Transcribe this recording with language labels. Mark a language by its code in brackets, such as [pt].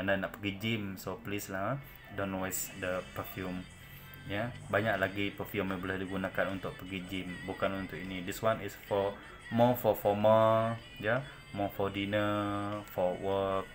[ms] Anda nak pergi gym, [en] so please lah, don't waste the perfume. [ms] Ya, banyak lagi perfume yang boleh digunakan untuk pergi gym, bukan untuk ini. [en] This one is for more for formal, ya, more for dinner, for work.